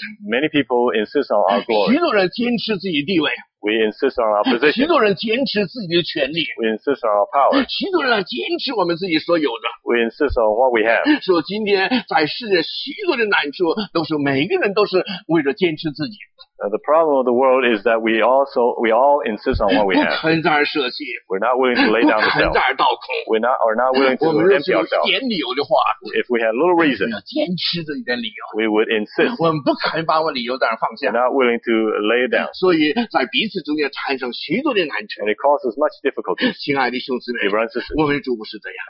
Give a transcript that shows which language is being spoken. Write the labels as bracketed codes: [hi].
[en] Many people insist on our glory. [zh] 许多人坚持自己的地位。 [en] We insist on our position. [zh] 许多人坚持自己的权利。 [en] We insist on our power. [zh] 许多人坚持我们自己所有的。 [en] We insist on what we have. [zh] 说今天在世界许多的难处，都是每个人都是为了坚持自己。 [en] The problem of the world is that we all insist on what we have. [zh] 不肯在而舍弃。 [en] We're not willing to lay down the self. [zh] 不肯在而倒空。 [en] We're not willing to empty ourselves. [zh] 我们若是有一点理由的话。 [en] If we had little reason. [zh] 要坚持这一点理由。 [en] We would insist. [zh] 我们不肯把我理由在而放下。 [en] We're not willing to lay it down. [zh] 所以在彼此这中间产生许多的难处。 [en] And it causes much difficulty. [zh] 亲爱的兄弟们， [en] Brothers and sisters, [zh] 我们主不是这样。